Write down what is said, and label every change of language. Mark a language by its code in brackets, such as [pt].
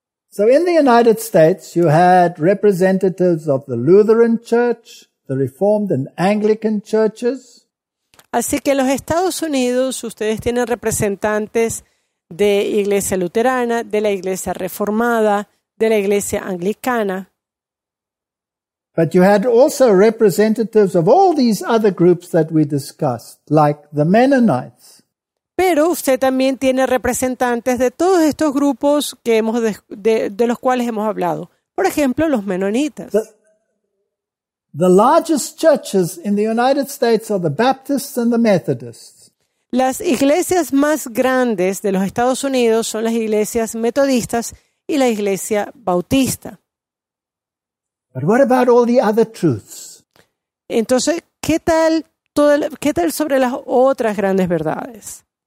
[en] So in the United States you had representatives of the Lutheran Church, the Reformed and Anglican churches. [es] Así que en los Estados Unidos ustedes tienen representantes de Iglesia Luterana, de la Iglesia Reformada, de la Iglesia Anglicana. [en] But you had also representatives of all these other groups that we discussed, like the Mennonites. [es] Pero usted también tiene representantes de todos estos grupos que hemos de los cuales hemos hablado. Por ejemplo, los menonitas. [en] The largest churches in the United States are the Baptists and the Methodists. [es] Las iglesias más grandes de los Estados Unidos son las iglesias metodistas y la iglesia bautista. [en] But what about all the other truths? [es] Entonces, ¿qué tal sobre las otras grandes verdades?